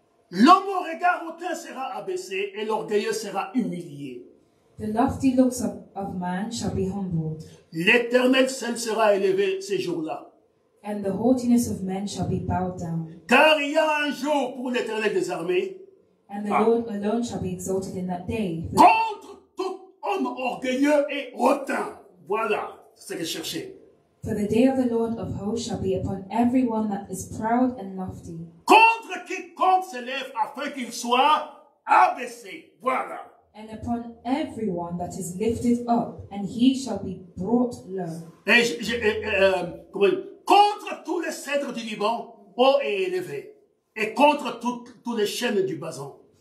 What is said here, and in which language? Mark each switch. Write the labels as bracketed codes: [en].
[fr] L'homme au regard hautain sera abaissé et l'orgueilleux sera humilié. [en] The lofty looks of man shall be humbled. [fr] L'Éternel seul sera élevé ces jours-là. [en] And the haughtiness of men shall be bowed down. [fr] Car il y a un jour pour l'Éternel des armées. [en] And the Lord alone shall be exalted in that day. [fr] Contre tout homme orgueilleux et hautain. Voilà ce que je cherchais. [en] For the day of the Lord of hosts shall be upon everyone that is proud and lofty. [fr] Contre quiconque s'élève afin qu'il soit abaissé. Voilà. [en] And upon everyone that is lifted up, and he shall be brought low. [fr] Et contre tous les cèdres du Liban, haut et élevé, et contre tous les chênes du Bazan.